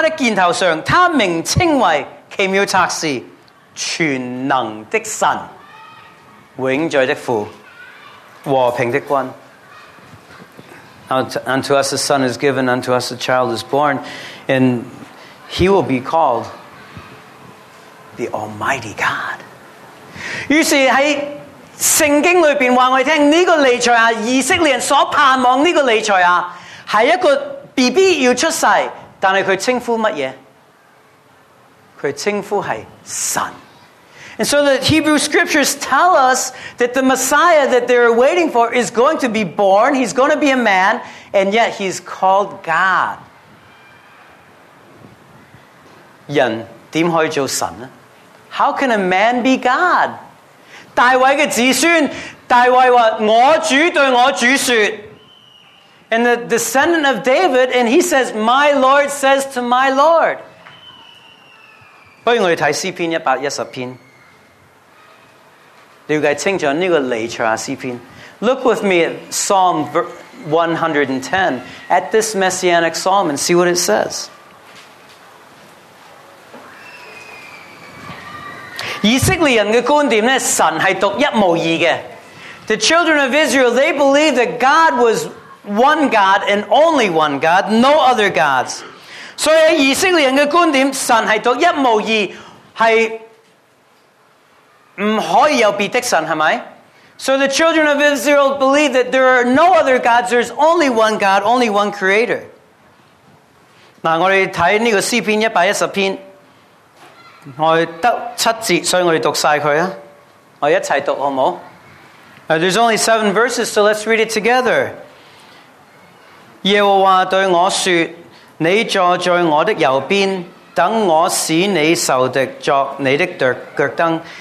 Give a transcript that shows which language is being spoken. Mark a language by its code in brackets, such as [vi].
[zh] 因有一婴是为我们而生,有一子赐给我们,政权必担在他的肩头上,他名称为 Kemutaxi, 全能的神, 永在的父, 和平的君. [en] Unto us a son is given, unto us a child is born, and he will be called the Almighty God. [zh] 于是在圣经里面告诉我们，这个尼赛亚，以色列人所盼望这个尼赛亚，是一个 BB 要出世，但是他称呼什么？他称呼是神。 [en] And so the Hebrew scriptures tell us that the Messiah that they're waiting for is going to be born, he's going to be a man, and yet he's called God. [zh] 人怎可以做神呢？ [en] How can a man be God? [zh] 大卫的子孙，大卫说，我主对我主说。 [en] And the descendant of David, and he says, my Lord says to my Lord. [zh] 不如我们看诗篇110篇。了解清楚这个尼赛亚诗篇。 [en] Look with me at Psalm 110, at this messianic psalm, and see what it says. [zh] 以色列人的观点呢，神是独一无二的。 [en] The children of Israel, they believed that God was one God and only one God, no other gods. [zh] 所以以色列人的观点，神是独一无二，是不可以有别的神，是吗？ [en] So the children of Israel believe that there are no other gods, there's only one God, only one creator. [zh] 那我们看这个诗篇110篇，我们得七节，所以我们读完它，我们一起读好不好？ [en] There's only seven verses, so let's read it together. [zh] 耶和华对我说，你坐在我的右边，等我使你仇敌作你的脚蹬。